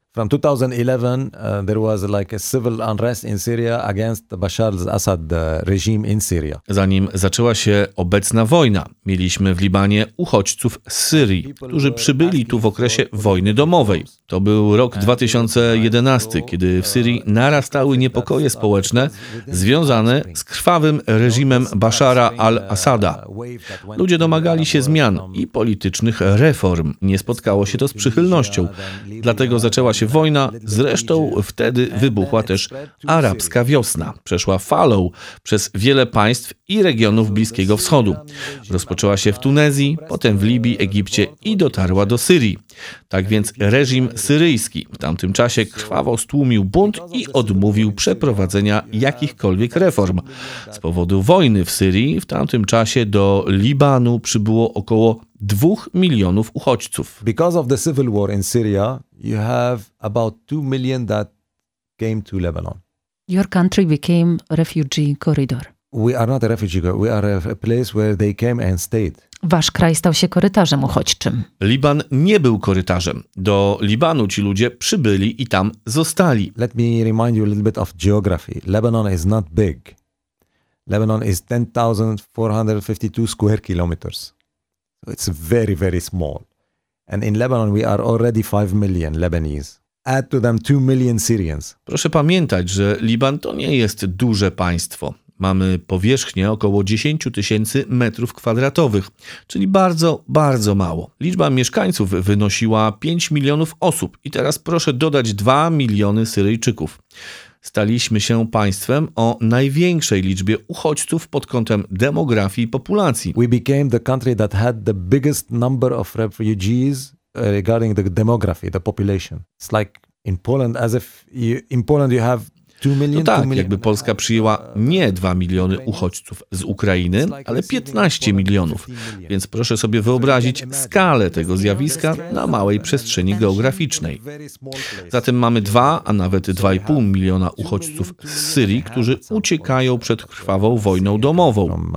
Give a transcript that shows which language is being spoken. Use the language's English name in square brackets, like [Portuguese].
[English] From 2011, there was like a civil unrest in Syria against Bashar al-Assad regime in Syria. [Polish] Zanim zaczęła się obecna wojna, mieliśmy w Libanie uchodźców z Syrii, którzy przybyli tu w okresie wojny domowej. To był rok 2011, kiedy w Syrii narastały niepokoje społeczne związane z krwawym reżimem Bashara al-Assada. Ludzie domagali się zmian i politycznych reform. Nie spotkało się to z przychylnością, dlatego zaczęła się wojna, zresztą wtedy wybuchła też arabska wiosna. Przeszła falą przez wiele państw i regionów Bliskiego Wschodu. Rozpoczęła się w Tunezji, potem w Libii, Egipcie i dotarła do Syrii. Tak więc reżim syryjski w tamtym czasie krwawo stłumił bunt i odmówił przeprowadzenia jakichkolwiek reform. Z powodu wojny w Syrii w tamtym czasie do Libanu przybyło około 2 milionów uchodźców. [English] Because of the civil war in Syria, you have about 2 million that came to Lebanon. Your country became refugee corridor. We are not a refugee corridor. We are a place where they came and stayed. [Polish] Wasz kraj stał się korytarzem uchodźczym. Liban nie był korytarzem. Do Libanu ci ludzie przybyli i tam zostali. [English] Let me remind you a little bit of geography. Lebanon is not big. Lebanon is 10,452 square kilometers. It's very, very small. And in Lebanon we are already 5 million Lebanese. Add to them 2 million Syrians. [Polish] Proszę pamiętać, że Liban to nie jest duże państwo. Mamy powierzchnię około 10 tysięcy metrów kwadratowych, czyli bardzo, bardzo mało. Liczba mieszkańców wynosiła 5 milionów osób i teraz proszę dodać 2 miliony Syryjczyków. Staliśmy się państwem o największej liczbie uchodźców pod kątem demografii i populacji. [English] We became the country that had the biggest number of refugees regarding the demography, the population. It's like in Poland, as if you, in Poland you have 2 million. [Polish] No tak, jakby Polska przyjęła nie 2 miliony uchodźców z Ukrainy, ale 15 milionów. Więc proszę sobie wyobrazić skalę tego zjawiska na małej przestrzeni geograficznej. Zatem mamy 2, a nawet 2,5 miliona uchodźców z Syrii, którzy uciekają przed krwawą wojną domową.